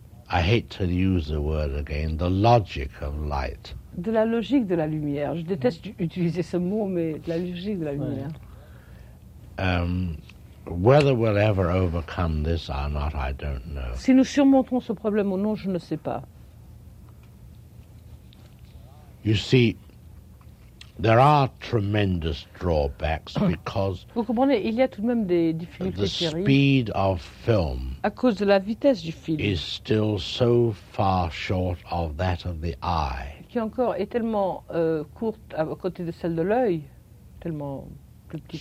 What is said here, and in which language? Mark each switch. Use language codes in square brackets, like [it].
[en] I hate to use the word again, the logic of light. [fr] De la logique de la lumière. Je déteste utiliser ce mot, mais de la logique de la lumière. [en] Whether we'll ever overcome this or not, I don't know. [fr] Si nous surmontons ce problème ou non, je ne sais pas. [en] You see, there are tremendous drawbacks because [fr] vous comprenez, il y a tout de même des difficultés terribles. [en] The speed of film [fr] à cause de la vitesse du film [en] is still so far short of that of the eye. [fr] Qui encore est tellement courte à côté de celle de l'œil, tellement plus petite.